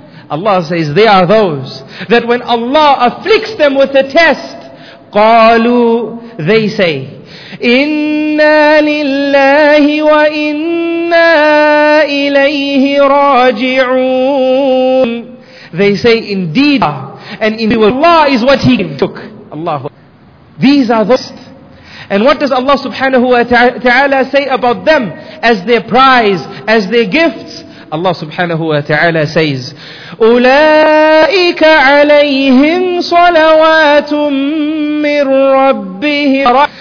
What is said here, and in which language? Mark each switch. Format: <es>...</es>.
<en>Allah says, they are those that when Allah afflicts them with a test,</en> <ar>قَالُوا,</ar> <en>they say,</en> <ar>إِنَّا لِلَّهِ وَإِنَّا إِلَيْهِ رَاجِعُونَ.</ar> <en>They say, indeed, and in Allah is what he took. Allah. These are those. And what does Allah subhanahu wa ta'ala say about them as their prize, as their gifts? Allah subhanahu wa ta'ala says,</en> <ar>أُولَٰئِكَ عَلَيْهِمْ صَلَوَاتٌ مِّن رَبِّهِمْ.</ar>